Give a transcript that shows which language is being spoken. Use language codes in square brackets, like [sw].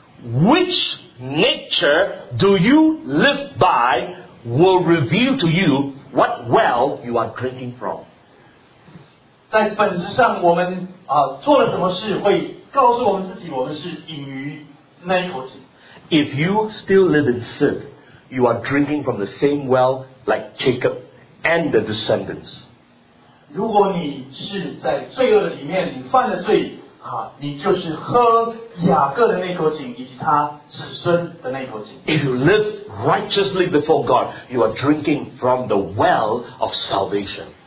[en] Which nature do you live by will reveal to you what well you are drinking from. [zh] 在本质上我们做了什么事会告诉我们自己我们是饮于那一口井。 [en] If you still live in sin, you are drinking from the same well like Jacob and the descendants. [zh] 如果你是在罪恶里面，你犯了罪， 你就是喝雅各的那口井，以及他子孙的那口井。 [en] If you live righteously before God, you are drinking from the well of salvation.